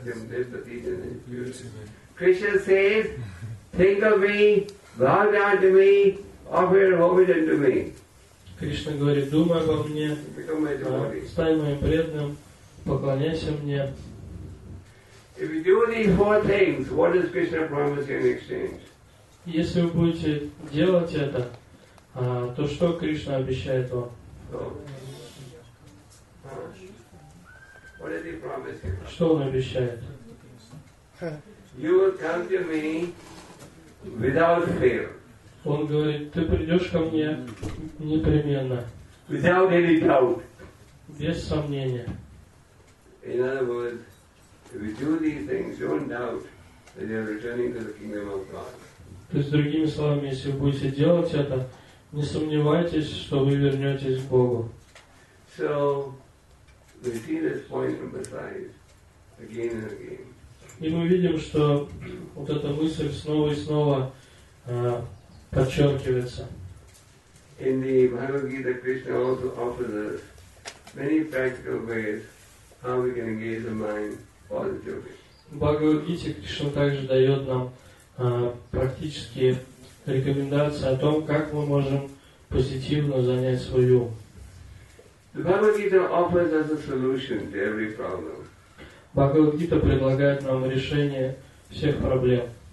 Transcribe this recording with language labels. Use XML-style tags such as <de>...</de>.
<en>Krishna says, think of me, bow down to me, offer your obeisance to me.</en> <ru>Кришна говорит, думай обо мне, стань моим преданным, поклоняйся мне.</ru> <en>If you do these four things, what does Krishna promise you in exchange?</en> <ru>Если вы будете делать это, то что Кришна обещает вам?</ru> <en>What does he promise you?</en> <ru>Что он обещает?</ru> <en>You will come to me without fail.</en> <ru>Он говорит, ты придешь ко мне непременно.</ru> <en>Without any doubt.</en> <ru>Без сомнения.</ru> <en>In other words, if you do these things, don't doubt that you are returning to the kingdom of God.</en> <ru>То есть, другими словами, если вы будете делать это, не сомневайтесь, что вы вернетесь к Богу.</ru> <en>So, we see this point from the side, again and again.</en> <ru>И мы видим, что вот эта мысль снова и снова подчеркивается.</ru> <en>In the Bhagavad Gita, Krishna also offers us many practical ways how we can engage the mind</en> <ru>Бхагавад-гита Кришна также дает нам практические рекомендации о том, как мы можем позитивно занять свой ум. Бхагавад-гита предлагает нам решение всех проблем.</ru>